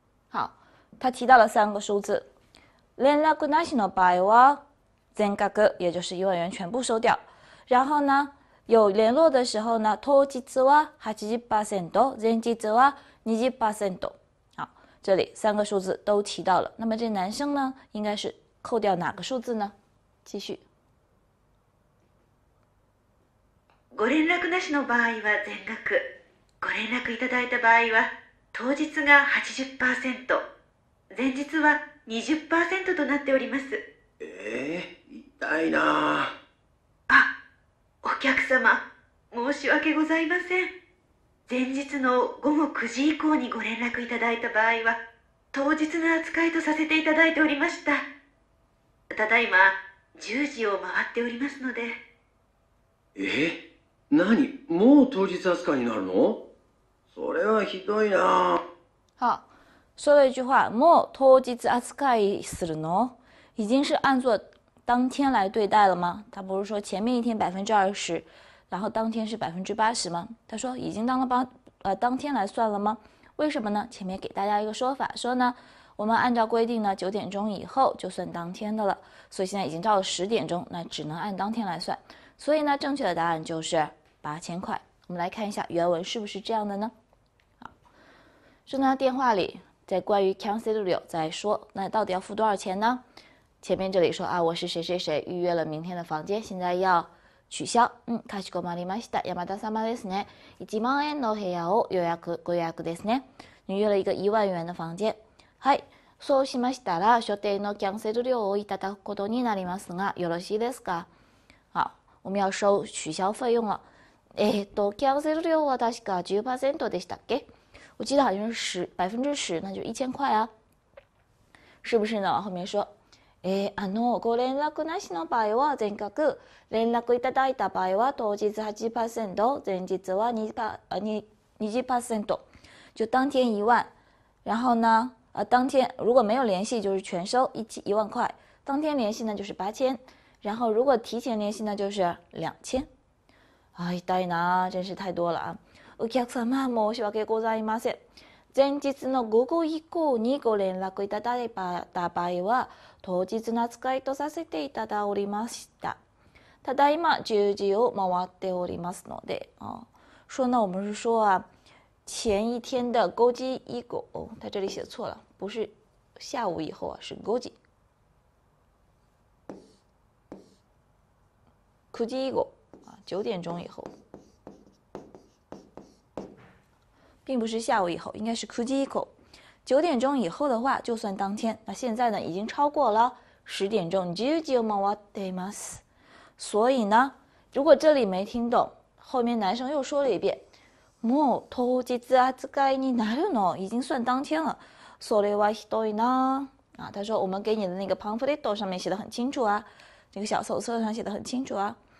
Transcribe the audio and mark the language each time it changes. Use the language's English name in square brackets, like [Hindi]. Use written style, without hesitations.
[Chinese] 好、他提到了三个数字。連絡なしの場合は、全額、也就是1万円全部收掉。然后呢、有联络的时候呢，当日は 80%， 前日は 20%。好，这里三个数字都提到了。那么这男生呢，应该是扣掉哪个数字呢？继续。 [Japanese] ご連絡なしの場合は全額。ご連絡いただいた場合は当日が 80%、前日は 20% となっております。痛いな。お客様、申し訳ございません。前日の午後9時以降にご連絡いただいた場合は、当日の扱いとさせていただいておりました。ただいま、10時を回っておりますので。何？もう当日扱いになるの？それはひどいな。 [Chinese] 好、说了一句话、もう当日扱いするの？已经是按作当天来对待了吗？他不是说前面一天20%，然后当天是80%吗？他说已经当了当天来算了吗？为什么呢？前面给大家一个说法，说呢，我们按照规定呢，九点钟以后就算当天的了，所以现在已经到了10点钟，那只能按当天来算。所以呢，正确的答案就是8000块。我们来看一下原文是不是这样的呢？好，说呢，电话里在关于 cancelio 在说，那到底要付多少钱呢？前面这里说啊，我是谁谁谁预约了明天的房间，现在要取消。 [Japanese] かしこまりました。山田様ですね。 1万円の部屋を予約ご予約ですね。 [Chinese] 你约了一个1万元的房间。 [Japanese] はい。そうしましたら、所定のキャンセル料をいただくことになりますが、よろしいですか？ [Chinese] 好，我们要收取消费用了。 [Japanese] キャンセル料は確か 10% でしたっけ？ [Chinese] 我记得好像是10%，那就1000块啊。是不是呢？后面说。 [Japanese] ご連絡なしの場合は全額、連絡いただいた場合は当日 8%、前日は 20%。 [Chinese] 就当天1万。然后呢、当天、如果没有联系就是全收1万块。当天联系呢就是8000。然后如果提前联系呢就是2000。 [Japanese] あ、痛いな、真是太多了。お客様、申し訳ございません。前日の午後以降にご連絡いただいた場合は、当日の扱いとさせていただおりました。 [Chinese] ただいま十時を回っておりますので、说呢，我们是说啊，前一天的午後以降，哦，他这里写错了，不是下午以后啊，是午時。九時以降，啊，九点钟以后。并不是下午以后，应该是 9時以降。九点钟以后的话，就算当天。那现在呢，已经超过了10点钟。十時を回っています。所以呢，如果这里没听懂，后面男生又说了一遍。 [Japanese] もう当日扱いになるの，已经算当天了。それはひどいな。 [Chinese] 啊，他说我们给你的那个パンフレット上面写的很清楚啊，那个小手册上写的很清楚啊。